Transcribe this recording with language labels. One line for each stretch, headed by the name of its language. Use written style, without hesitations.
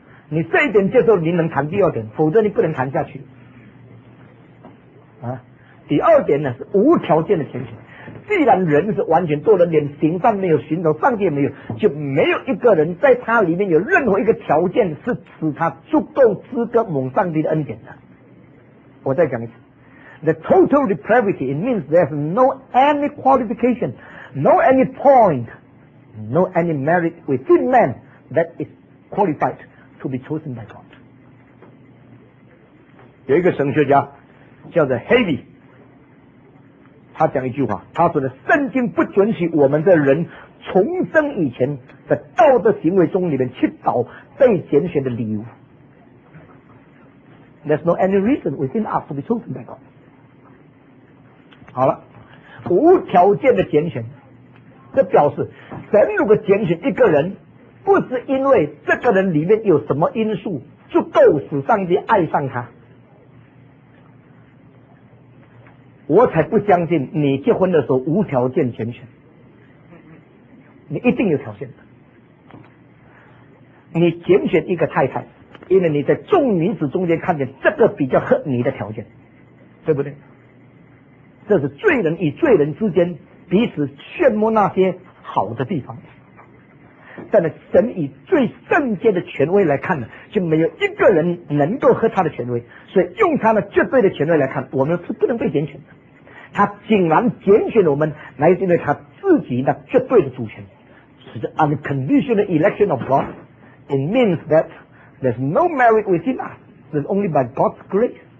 Chinese: 你这一点接受，你能谈第二点，否则你不能谈下去啊。第二点呢，是无条件的虔诚。既然人是完全堕落，连行善没有，寻找上帝也没有，就没有一个人在他里面有任何一个条件是使他足够资格蒙上帝的恩典的。
English: 我再讲一次， The total depravity, it means there's no any qualification, no any point, no any merit within man that is qualified to be chosen by God.
Chinese: 有一个神学家叫做 Heavy， 他讲一句话，他说的圣经不准许我们的人重生以前的道德行为中里面去找被拣选的理由。
English: There's no any reason within us to be chosen by God.
Chinese: 好了，无条件的拣选，这表示神如果拣选一个人，不是因为这个人里面有什么因素就够使上帝爱上他。我才不相信你结婚的时候无条件拣选，你一定有条件的。你拣选一个太太，因为你在众女子中间看见这个比较合你的条件，对不对？这是罪人与罪人之间彼此炫耀那些好的地方，但是神以最圣洁的权威来看呢，就没有一个人能够和他的权威，所以用他的绝对的权威来看，我们是不能被拣选的。他竟然拣选了我们，来自于他自己的绝对的主权，是 the unconditional election of God.
English: It means that there's no merit within us, there's only by God's grace.